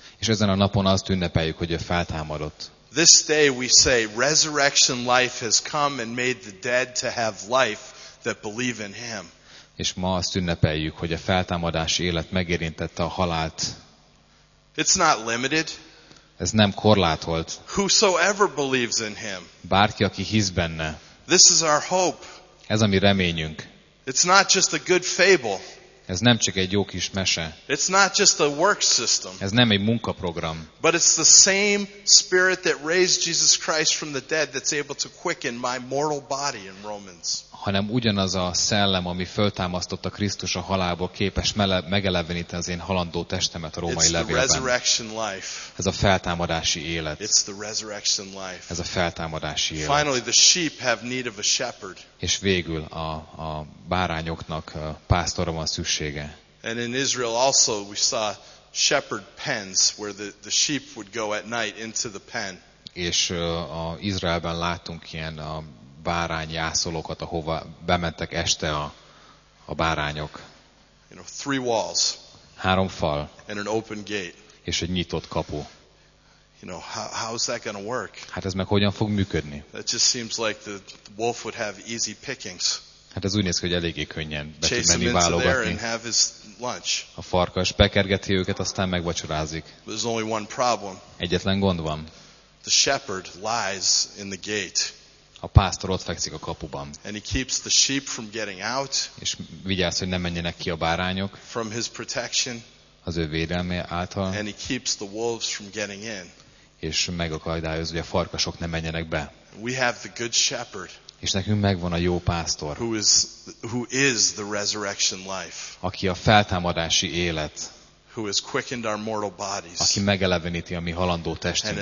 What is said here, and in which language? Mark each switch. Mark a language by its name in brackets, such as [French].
[Hungarian] És ezen a napon azt ünnepeljük, hogy ő feltámadott. [English] This day we say resurrection life has come and made the dead to have life that believe in him. [Hungarian] És ma azt ünnepeljük, hogy a feltámadási élet megérintette a halált. [English] It's not limited. [Hungarian] Ez nem korlátolt. [English] Whosoever believes in him. [Hungarian] Bárki, aki hisz benne. [English] This is our hope. [Hungarian] Ez a mi reményünk. [English] It's not just a good fable. [Hungarian] Ez nem csak egy jó kis mese. [English] It's not just a work system. [Hungarian] Ez nem egy munkaprogram. [English] But it's the same spirit that raised Jesus Christ from the dead that's able to quicken my mortal body in Romans. [Hungarian] Hanem ugyanaz a szellem, ami föltámasztotta Krisztus a halálból, képes megeleveníteni az én halandó testemet a római levélben. [English] It's the resurrection life. [Hungarian] Ez a feltámadási élet. [English] It's the resurrection life. [Hungarian] Ez a feltámadási élet. [English] Finally, the sheep have need of a shepherd. [Hungarian] És végül a bárányoknak pásztorra van szüksége. [English] And in Israel also we saw shepherd pens where the sheep would go at night into the pen. [Hungarian] És a Izraelben láttunk ilyen a bárányjászolókat, ahova bementek este a bárányok. [English] You know, three walls. [Hungarian] Három fal. [English] And an open gate. [Hungarian] És egy nyitott kapu. [English] You know, how is that going to work? [Hungarian] Hát ez meg hogyan fog működni? [English] That just seems like the wolf would have easy pickings. [Hungarian] Hát ez úgy néz ki, hogy eléggé könnyen be tud menni válogatni. A farkas bekergeti őket, aztán megvacsorázik. [English] There's only one problem. [Hungarian] Egyetlen gond van. [English] The shepherd lies in the gate. [Hungarian] A pásztor ott fekszik a kapuban. [English] And he keeps the sheep from getting out. [Hungarian] És vigyázz, hogy ne menjenek ki a bárányok. [English] From his protection. [Hungarian] Az ő védelme által. [English] And he keeps the wolves from getting in. [Hungarian] És megakadályozza, hogy a farkasok ne menjenek be. [English] We have the good shepherd. [Hungarian] És nekünk megvan a jó pásztor. [English] Who is the resurrection life. [Hungarian] Aki a feltámadási élet. [English] Who has quickened our mortal bodies. [Hungarian] Aki megeleveníti a mi halandó testünket.